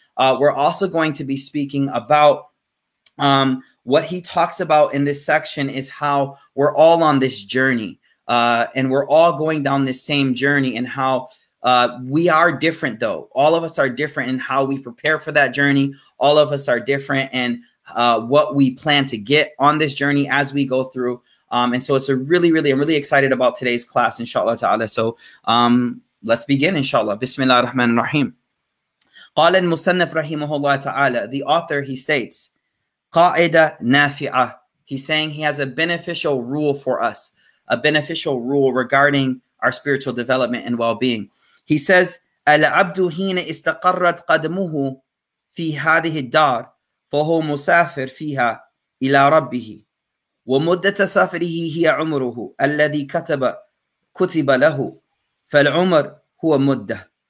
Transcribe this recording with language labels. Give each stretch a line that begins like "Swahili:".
English: We're also going to be speaking about what he talks about in this section is how we're all on this journey and we're all going down this same journey, and how we are different, though. All of us are different in how we prepare for that journey. All of us are different in what we plan to get on this journey as we go through. And so it's a really, really, I'm really excited about today's class, inshallah ta'ala. So let's begin, inshallah. Bismillah ar-Rahman ar-Rahim.
Arabic: قال المصنف رحمه الله تعالى,
English: the author, he states,
Arabic: قاعدة نافعة.
English: He's saying he has a beneficial rule for us, a beneficial rule regarding our spiritual development and well-being. He says,
Arabic: العبد حين استقرت قدمه في هذه الدار فهو مسافر فيها إلى ربه ومدة سفره هي عمره الذي كتب له فالعمر هو مدة.